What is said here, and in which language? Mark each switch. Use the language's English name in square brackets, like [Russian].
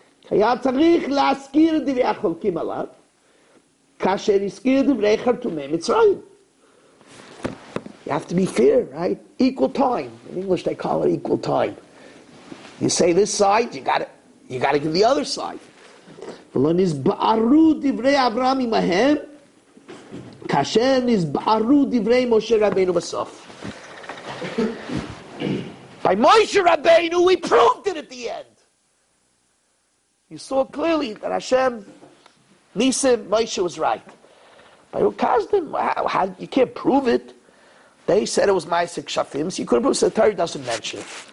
[Hebrew] היה צריך להזכיר דברי החולקים עליו, כאשר הזכיר דברי חרטומי מצרים. [English] You have to be fair, right? Equal time. In English they call it equal time. You say this side, you got to give the other side. [Hebrew] ולא נזבערו דברי אברהם עמהם, כאשר נזבערו דברי משה רבינו בסוף. [English] By Moshe Rabbeinu, we proved it at the end. You saw clearly that Hashem, Nisim, Moshe was right. By Ur Kasdim, wow, you can't prove it. They said it was Ma'asek Shafim, so you couldn't prove it. So the Torah doesn't mention it.